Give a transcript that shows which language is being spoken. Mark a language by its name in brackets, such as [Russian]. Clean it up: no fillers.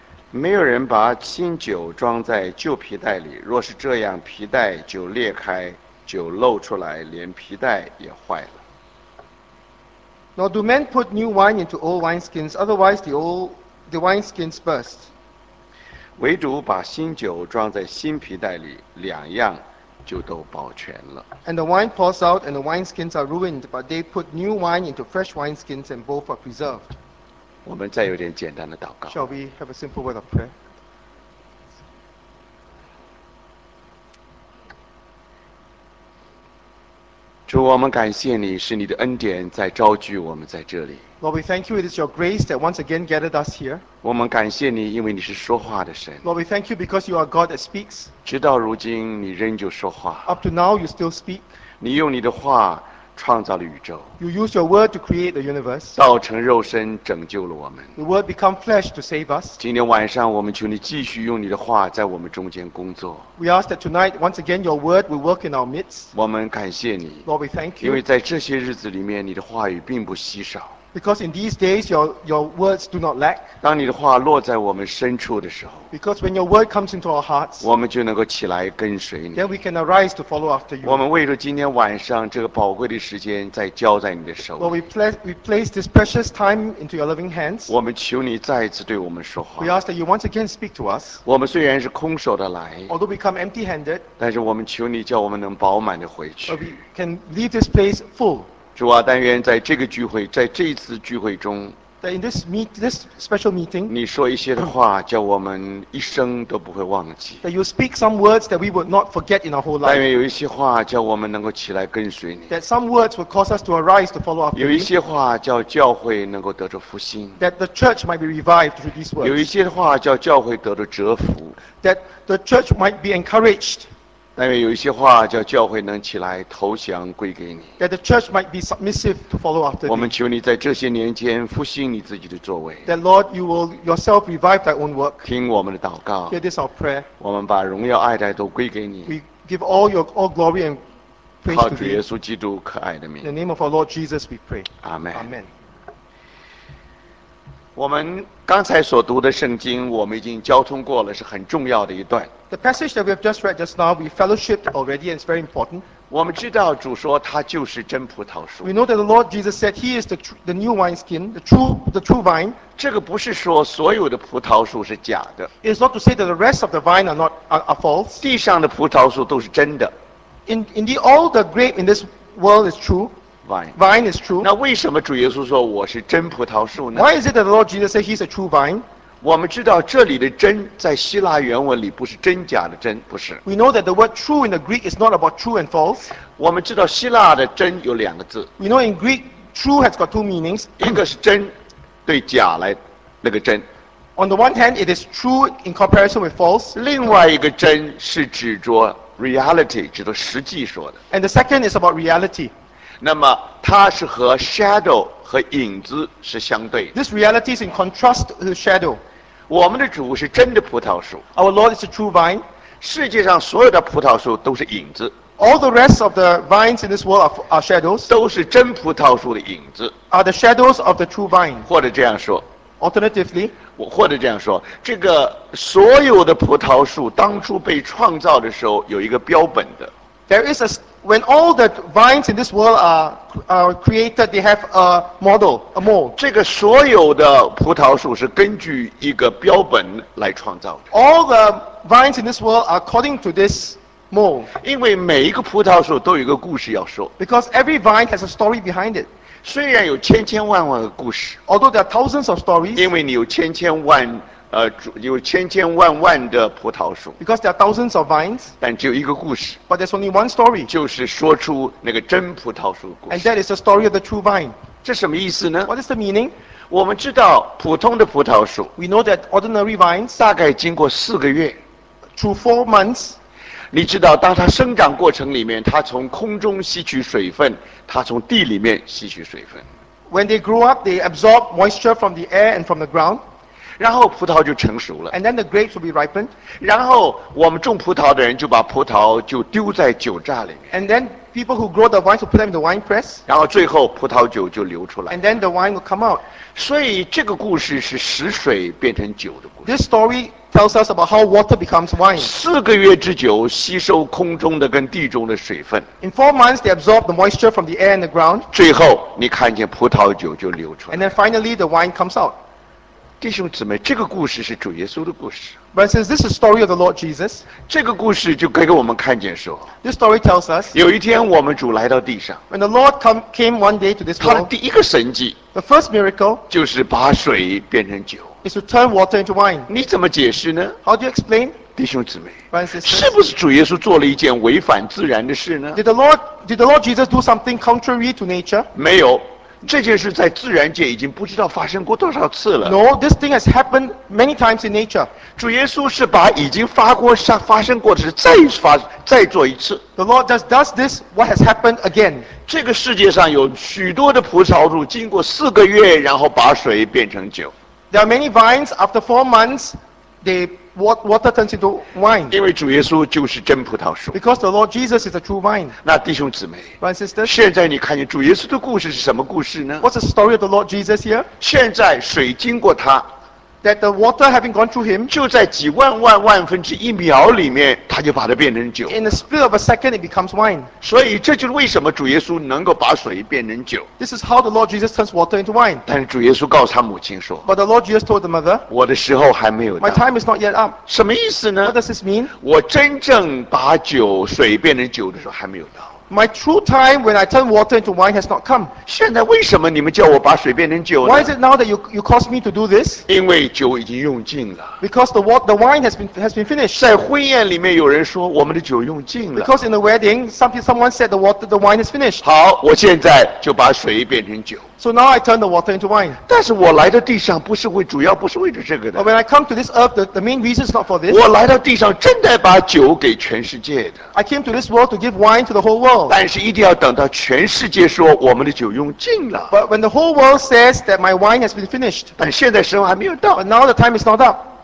[Chinese] 没有人把新酒装在旧皮袋里，若是这样，皮袋就裂开，酒漏出来，连皮袋也坏了。 [English] Nor do men put new wine into old wineskins, otherwise the wineskins burst. [Chinese] 唯独把新酒装在新皮袋里，两样就都保全了。 [English] And the wine pours out, and the wineskins are ruined, but they put new wine into fresh wineskins, and both are preserved. [Chinese] 我们再有点简单的祷告。 [English] Shall we have a simple word of prayer? [Chinese] 主，我们感谢你，是你的恩典在召聚我们在这里。 [English] Lord, we thank you. It is your grace that once again gathered us here. [Chinese] 我们感谢你，因为你是说话的神。 [English] Lord, we thank you because you are God that speaks. [Chinese] 直到如今，你仍旧说话。 [English] Up to now, you still speak. [Chinese] 你用你的话创造了宇宙。 [English] You use your word to create the universe. [Chinese] 道成肉身拯救了我们。 [English] The word become flesh to save us. [Chinese] 今天晚上，我们求你继续用你的话在我们中间工作。 [English] We ask that tonight, once again, your word will work in our midst. [Chinese] 我们感谢你。 [English] Lord, we thank you. [Chinese] 因为在这些日子里面，你的话语并不稀少。 [English] Because in these days, your words do not lack. [Chinese] 当你的话落在我们深处的时候 [English] ，Because when your word comes into our hearts, [Chinese] 我们就能够起来跟随你。 [English] Then we can arise to follow after you. [Chinese] 我们为了今天晚上这个宝贵的时间，再交在你的手里。 [English] Lord, we place this precious time into your loving hands. [Chinese] 我们求你再一次对我们说话。 [English] We ask that you once again speak to us. [Chinese] 我们虽然是空手的来 [English] ，Although we come empty-handed, [Chinese] 但是我们求你叫我们能饱满的回去。 [English] But we can leave this place full. [Chinese] 主啊，但愿在这个聚会，在这一次聚会中 [English] ，in this special meeting， [Chinese] 你说一些的话，叫我们一生都不会忘记。 [English] That you speak some words that we would not forget in our whole life。 [Chinese] 但愿有一些话，叫我们能够起来跟随你。 [English] That some words would cause us to arise to follow after you。 [Chinese] 有一些话，叫教会能够得着复兴。 [English] That the church might be revived through these words。 [Chinese] 有一些话，叫教会得着折服。 [English] That the church might be encouraged。 [Chinese] 但愿有一些话叫教会能起来投降归给你。 [English] That the church might be submissive to follow after. [Chinese] 我们求你在这些年间复兴你自己的作为。 [English] That Lord, you will yourself revive thy own work. [Chinese] 听我们的祷告。 [English] Hear this our prayer. [Chinese] 我们把荣耀爱戴都归给你。 [English] We give all glory and praise to you. [Chinese] 靠主耶稣基督可爱的名。 [English] In the name of our Lord Jesus, we pray. Amen. Amen. [Chinese] 我们刚才所读的圣经，我们已经交通过了，是很重要的一段。 [English] The passage that we have just read just now, we fellowshiped already, and it's very important. [Chinese] 我们知道主说他就是真葡萄树。 [English] We know that the Lord Jesus said He is the new wine skin, the true vine. [Chinese] 这个不是说所有的葡萄树是假的。 [English] It's not to say that the rest of the vine are false. [Chinese] 地上的葡萄树都是真的。 [English] Indeed, all the grape in this world is true. Vine is true. [Chinese] 那为什么主耶稣说我是真葡萄树呢 [English] ？Why is it that the Lord Jesus said He's a true vine? [Chinese] 我们知道这里的真在希腊原文里不是真假的真，不是。 [English] We know that the word true in the Greek is not about true and false. [Chinese] 我们知道希腊的真有两个字。 [English] We know in Greek true has got two meanings. [Chinese] 一个是真，对假来那个真。 [English] On the one hand, it is true in comparison with false. [Chinese] 另外一个真是指着 reality， 指着实际说的。 [English] And the second is about reality. [Chinese] 那么它是和 shadow 和影子是相对的。 [English] This reality is in contrast to shadow. [Chinese] 我们的主是真的葡萄树。 [English] Our Lord is a true vine. [Chinese] 世界上所有的葡萄树都是影子。 [English] All the rest of the vines in this world are shadows. [Chinese] 都是真葡萄树的影子。 [English] Are the shadows of the true vine. [Chinese] 或者这样说。 [English] Alternatively. [Chinese] 或者这样说，这个所有的葡萄树当初被创造的时候有一个标本的。 [English] There is a when all the vines in this world are created, they have a model, a mold. [Chinese] 这个所有的葡萄树是根据一个标本来创造的。 [English] All the vines in this world are according to this mold. [Chinese] 因为每一个葡萄树都有一个故事要说。 [English] Because every vine has a story behind it. [Chinese] 虽然有千千万万个故事。 [English] Although there are thousands of stories. [Chinese] 因为你有千千万。有千千万万的葡萄树。 [English] Because there are thousands of vines. [Chinese] 但只有一个故事。 [English] But there's only one story. [Chinese] 就是说出那个真葡萄树的故事。 [English] And that is the story of the true vine. [Chinese] 这什么意思呢 [English] ？What is the meaning? [Chinese] 我们知道普通的葡萄树。 [English] We know that ordinary vines. [Chinese] 大概经过四个月。 [English] Through 4 months. [Chinese] 你知道，当它生长过程里面，它从空中吸取水分，它从地里面吸取水分。 [English] When they grow up, they absorb moisture from the air and from the ground. [Chinese] 然后葡萄就成熟了。 [English] And then the grapes will be ripened. [Chinese] 然后我们种葡萄的人就把葡萄就丢在酒榨里面。 [English] And then people who grow the vines will put them in the wine press. [Chinese] 然后最后葡萄酒就流出来。 [English] And then the wine will come out. [Chinese] 所以这个故事是使水变成酒的故事。 [English] This story tells us about how water becomes wine. [Chinese] 4个月之久，吸收空中的跟地中的水分。 [English] In 4 months, they absorb the moisture from the air and the ground. [Chinese] 最后，你看见葡萄酒就流出来。 [English] And then finally, the wine comes out. [Chinese] 弟兄姊妹，这个故事是主耶稣的故事。 [English] But since this is the story of the Lord Jesus, [Chinese] 这个故事就给我们看见说 [English] ，This story tells us. [Chinese] 有一天，我们主来到地上。 [English] When the Lord came one day to this world. [Chinese] 他的第一个神迹 [English] ，The first miracle. [Chinese] 就是把水变成酒。 [English] Is to turn water into wine. [Chinese] 你怎么解释呢 [English] ？How do you explain? [Chinese] 弟兄姊妹 [English] ，Brothers and sisters, [Chinese] 是不是主耶稣做了一件违反自然的事呢 [English] ？Did the Lord Jesus do something contrary to nature? [Chinese] 没有，这件事在自然界已经不知道发生过多少次了。 [English] No, this thing has happened many times in nature. [Chinese] 主耶稣是把已经发生过的事再做一次。 [English] The Lord just does this. What has happened again? [Chinese] 这个世界上有许多的葡萄树，经过4个月，然后把水变成酒。 [English] There are many vines. After 4 months, the water turns into wine. [Chinese] 因为主耶稣就是真葡萄树。 [English] Because the Lord Jesus is the true vine. [Chinese] 那弟兄姊妹 [English] ，Brothers and sisters, [Chinese] 现在你看见主耶稣的故事是什么故事呢 [English] ？What's the story of the Lord Jesus here? [Chinese] 现在水经过他 [English] ，that the water having gone through him, [Chinese] 就在几万万万分之一秒里面，他就把它变成酒。 [English] In the split of a second, it becomes wine. [Chinese] 所以这就是为什么主耶稣能够把水变成酒。 [English] This is how the Lord Jesus turns water into wine. [Chinese] 但是主耶稣告诉他母亲说 [English] ，But the Lord Jesus told the mother, [Chinese] 我的时候还没有到。 [English] My time is not yet up. [Chinese] 什么意思呢 [English] ？What does this mean? [Chinese] 我真正把酒水变成酒的时候还没有到。 [English] My true time when I turn water into wine has not come. [Chinese] 现在为什么你们叫我把水变成酒呢 [English] ？Why is it now that you cause me to do this? [Chinese] 因为酒已经用尽了。 [English] Because the wine has been finished. [Chinese] 在婚宴里面有人说我们的酒用尽了。 [English] Because in the wedding, someone said the wine is finished. [Chinese] 好，我现在就把水变成酒。 [English] So now I turn the water into wine. [Chinese] 但是我来到地上不是为主要不是为着这个的。 [English] But when I come to this earth, the main reason is not for this. [Chinese] 我来到地上正在把酒给全世界的。 [English] I came to this world to give wine to the whole world. [Chinese] 但是一定要等到全世界说我们的酒用尽了。 [English] But when the whole world says that my wine has been finished. [Chinese] 但现在时候还没有到。 But now the time is not up.